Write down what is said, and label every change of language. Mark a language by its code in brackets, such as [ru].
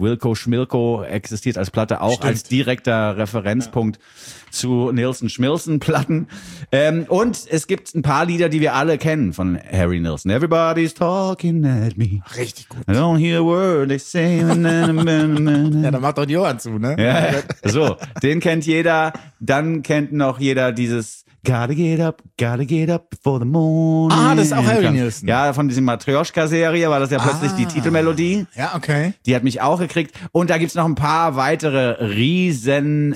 [de] Wilco Schmilko existiert als Platte auch als direkter Referenzpunkt zu Nilsson Schmilzen Platten. Und es gibt ein paar Lieder, die wir alle kennen von Harry Nilsson. [en] Everybody's talking at me. [de] Richtig gut. [en] I don't hear a word they say. [de] Ja, da macht doch die Ohren zu, ne? Ja. So, den kennt jeder. Dann kennt noch jeder dieses [en] gotta get up before the morning. [de] Ah, das ist auch Harry Nilsson. Ja, von dieser Matryoshka-Serie war das ja plötzlich die Titelmelodie. Ja, okay. Die hat mich auch gekriegt. Und da gibt's noch ein paar weitere Riesen.